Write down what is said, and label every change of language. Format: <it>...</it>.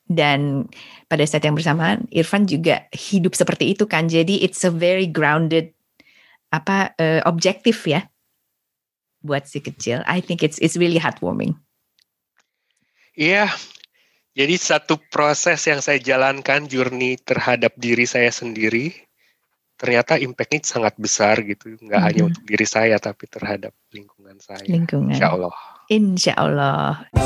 <id>Dan pada saat yang bersamaan, Irfan juga hidup seperti itu kan. Jadi</id> <en>it's a very grounded objective</en> <id>ya buat si kecil.</id> <en>I think it's really heartwarming.</en> <id>Iya. Yeah. Jadi satu proses yang saya jalankan, journey terhadap diri saya sendiri, ternyata impact-nya sangat besar gitu. Nggak hanya untuk diri saya, tapi terhadap lingkungan saya. Lingkungan. Insya Allah. Insya Allah.</id>